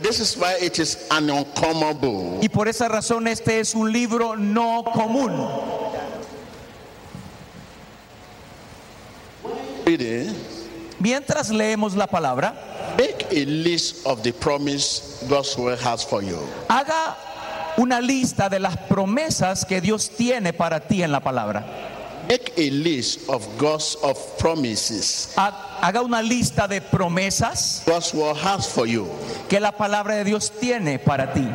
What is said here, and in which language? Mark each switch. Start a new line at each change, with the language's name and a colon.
Spanish: This is why it is an uncommon book. Y por esa razón este es un libro no común.
English: Read it.
Spanish: Mientras leemos la palabra,
English: make a list of the promise God's word has for you.
Spanish: Haga una lista de las promesas que Dios tiene para ti en la palabra.
English: Make a list of God's of promises.
Spanish: Haga una lista de promesas.
English: God's word has for you.
Spanish: Que la palabra de Dios tiene para ti.